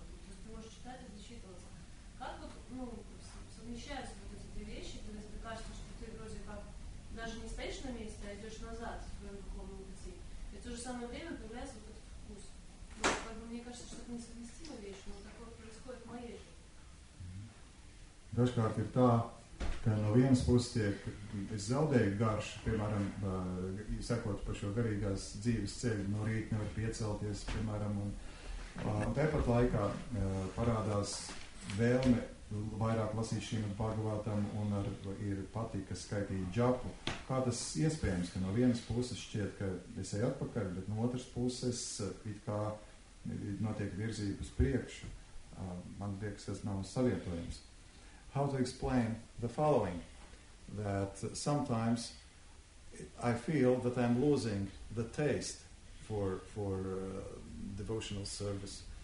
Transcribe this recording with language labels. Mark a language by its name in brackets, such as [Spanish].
[Russian] То есть ты можешь читать и зачитываться. Как вот, ну, совмещаются вот эти две вещи, когда тебе кажется, что ты вроде как даже не стоишь на месте, а идешь назад в своем духовном пути. И в то же самое время появляется вот этот вкус. Ну, как бы мне кажется, что это несовместимая вещь, но такое происходит в моей жизни. [Latvian] Dažkārt ir tā, ka no vienas puses tiek, es zaudēju garšu, piemēram, sekot pa šo garīgās dzīves ceļu, no rīta nevar piecelties, piemēram, un tāpat laikā parādās vēlme vairāk lasīt šīm Bhagavatam un ar, ir patika skaitīt džapu. Kā tas iespējams, ka no vienas puses šķiet, ka es eju atpakaļ, bet no otras puses it kā notiek virzības priekšu, man liekas, tas nav savietojums. [English] How to explain the following, that sometimes I feel that I'm losing the taste for devotional service.